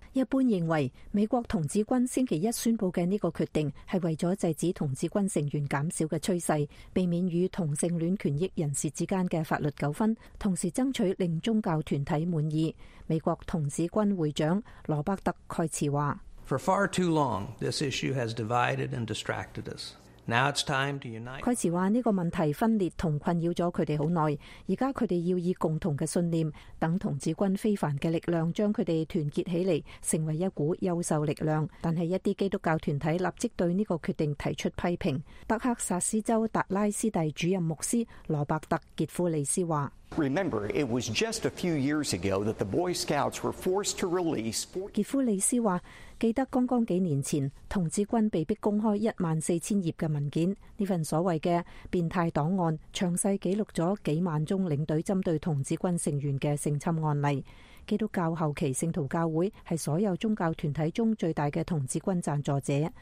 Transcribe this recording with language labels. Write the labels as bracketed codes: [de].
[zh] 一般认为，美国童子军星期一宣布的这个决定是为了制止童子军成员减少的趋势，避免与同性恋权益人士之间的法律纠纷，同时争取令宗教团体满意。美国童子军会长罗伯特·盖茨说， [en] For far too long, this issue has divided and distracted us. Now it's time to unite. [zh] 蓋茨說這個問題分裂和困擾了他們很久，現在他們要以共同的信念，等童子軍非凡的力量將他們團結起來，成為一股優秀力量。但是一些基督教團體立即對這個決定提出批評。德克薩斯州達拉斯蒂主任牧師羅伯特·傑夫利斯說， [en] Remember, it was just a few years ago that the Boy Scouts were forced to release. [zh] 傑夫利斯說，記得剛剛幾年前，童子軍被迫公開14,000頁的文件，這份所謂的變態檔案詳細記錄了幾萬宗領隊針對童子軍成員的性侵案例。基督教后期圣徒教会是所有宗教团体中最大的童子军赞助者。